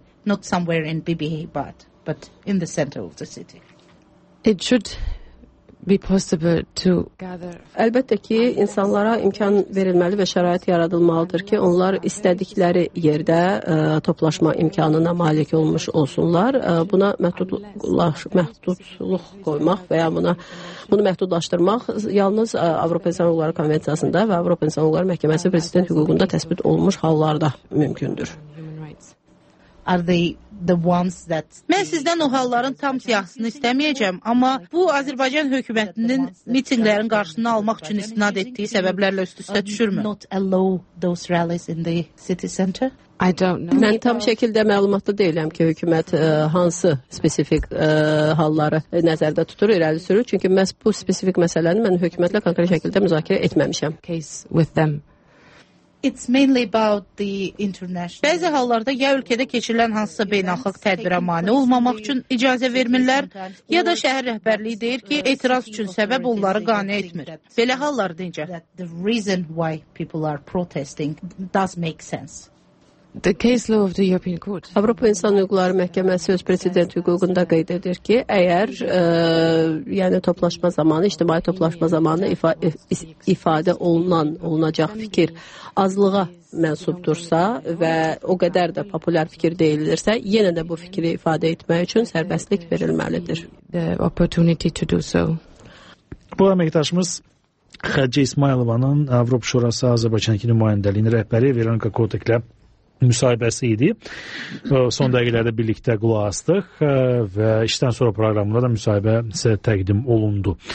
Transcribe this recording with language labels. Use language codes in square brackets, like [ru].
[en] Not somewhere in Bibihi, but in the center of the city. It should be possible to gather. [az] Əlbəttə ki, insanlara imkan verilməli və şərait yaradılmalıdır ki, onlar istədikləri yerdə toplaşma imkanına malik olmuş olsunlar. Buna məhdudluq qoymaq və ya bunu məhdudlaşdırmaq yalnız Avropa İnsan Hüquqları Konvensiyasında və Avropa İnsan Hüquqları Məhkəməsi prezident hüququnda təsbit olunmuş hallarda mümkündür. [en] Are the ones that [az] Mən sizdən o halların tam siyahısını istəməyəcəm, amma bu Azərbaycan hökumətinin mitinqlərin qarşısını almaq üçün istinad etdiyi səbəblərlə üst-üstə düşürmü? [en] Not allow those rallies in the city center? I don't know. [az] Mən tam şəkildə məlumatlı deyiləm ki, hökumət hansı spesifik halları nəzərdə tutur, irəli sürür, çünki məhz bu spesifik məsələni mən hökumətlə konkret şəkildə müzakirə etməmişəm. [en] Case with them. It's mainly about the international. [az] Bəzi hallarda ya ölkədə keçirilən hansısa beynəlxalq tədbirə mane olmamaq üçün icazə vermirlər, ya da şəhər rəhbərliyi deyir ki, etiraz üçün səbəb onları qane etmir. Belə hallar deyincə. [en] The reason why people are protesting does make sense. The case law of the European Court. [az] Avropa İnsan Hüquqları Məhkəməsi öz prezident hüququnda qeyd edir ki, əgər yəni toplaşma zamanı, ictimai toplaşma zamanı ifadə olunacaq fikir azlığa mənsubdursa və o qədər də populyar fikir deyilirsə, yenə də bu fikri ifadə etmək üçün sərbəstlik verilməlidir. [en] The opportunity to do so. [az] Bu əməkdaşımız Xədicə İsmayılovanın Avropa Şurası Azərbaycanki nümayəndəliyinin rəhbəri Veronika Kotek ilə müsahibəsi idi. Son dəqiqələrdə birlikdə qulaq astıq və işdən sonra proqramında da müsahibə sizə təqdim olundu.